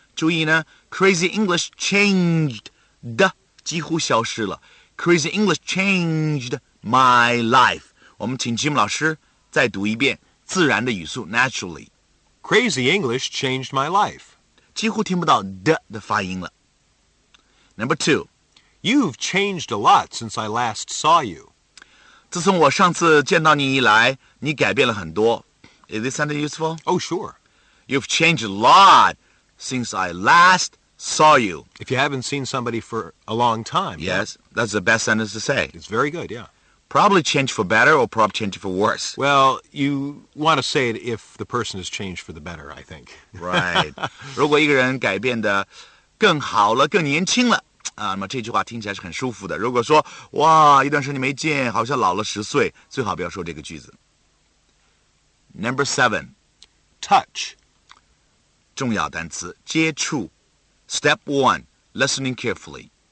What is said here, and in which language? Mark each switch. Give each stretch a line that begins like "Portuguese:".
Chinese: 注意呢，
English: Crazy English changed
Chinese: 的几乎消失了。
English: Crazy English changed my life.
Chinese: 我们请 Jim 老师再读一遍，自然的语速 naturally.
English: Crazy English changed my life.
Chinese: 几乎听不到 de 的发音了。
English: Number 2. You've changed a lot since I last saw you.
Chinese: 自从我上次见到你以来，你改变了很多。
English: Is this sound useful? Oh, sure. You've changed a lot since I last saw you. If you haven't seen somebody for a long time. Yes, but that's the best sentence to say. It's very good, yeah. Probably changed for better or probably changed for worse. Well, you want to say it if the person has changed for the better, I think. Right.
Chinese: 如果一个人改变得更好了，更年轻了，那么这句话听起来是很舒服的。如果说，哇，一段时间没见，好像老了十岁，最好不要说这个句子。
English: Number 7. Touch.
Chinese: 重要单词，接触。
English: Step 1. Listening carefully.